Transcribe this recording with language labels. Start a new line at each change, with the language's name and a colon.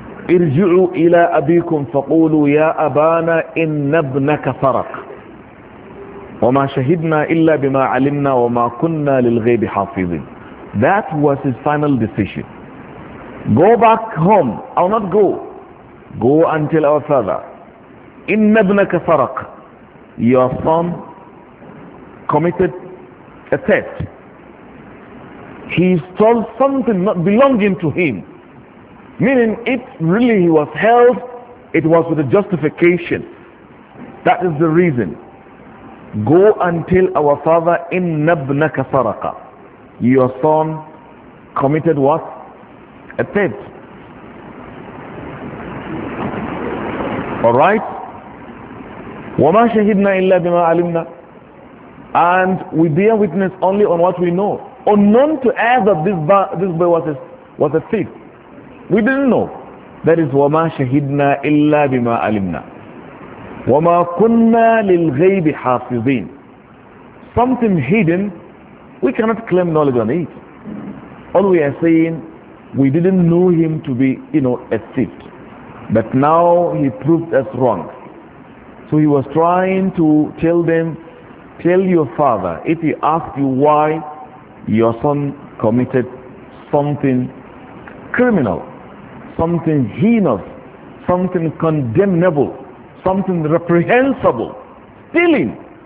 Arabic: ارجعوا إلى أبيكم فقولوا يا أبانا إن ابنك سرق وَمَا شَهِدْنَا إِلَّا بِمَا عَلِمْنَا وَمَا كُنَّا لِلْغَيْبِ حَافِظِينَ.
English: That was his final decision. Go back home. I will not go. Go until our father.
Arabic: إِنَّ ابْنَكَ فَرَقْ.
English: Your son committed a theft. He stole something not belonging to him. Meaning if really he was held, it was with a justification. That is the reason. Go and tell our father,
Arabic: إِنَّ ابْنَكَ سَرَقَ.
English: Your son committed what? A theft. Alright?
Arabic: وَمَا شَهِدْنَا إِلَّا بِمَا عَلِمْنَا.
English: And we bear witness only on what we know. Unknown to us that this boy was a thief. We didn't know. That is
Arabic: وَمَا شَهِدْنَا إِلَّا بِمَا عَلِمْنَا. وَمَا كُنَّا لِلْغَيْبِ حَافِظِينَ.
English: Something hidden, we cannot claim knowledge on it. All we are saying, we didn't know him to be, a thief. But now he proved us wrong. So he was trying to tell them, tell your father, if he asked you why your son committed something criminal, something heinous, something condemnable, something reprehensible, stealing.